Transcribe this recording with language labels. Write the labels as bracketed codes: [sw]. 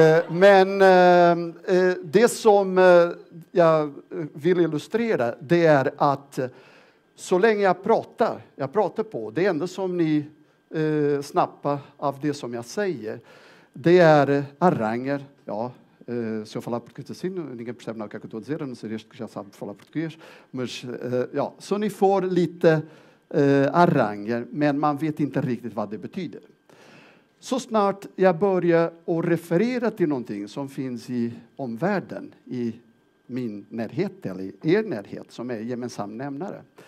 [sv] Men det som jag vill illustrera, det är att så länge jag pratar på, det enda som ni snappar av det som jag säger, det är aranger. [pt] Ja, se eu falar português assim, ninguém percebe nada o que eu estou a dizer, a não ser este que já sabe falar português. [sv] Mas, ja, så ni får lite aranger, men man vet inte riktigt vad det betyder. Så snart jag börjar att referera till någonting som finns i omvärlden, i min närhet eller i er närhet som är gemensam nämnare.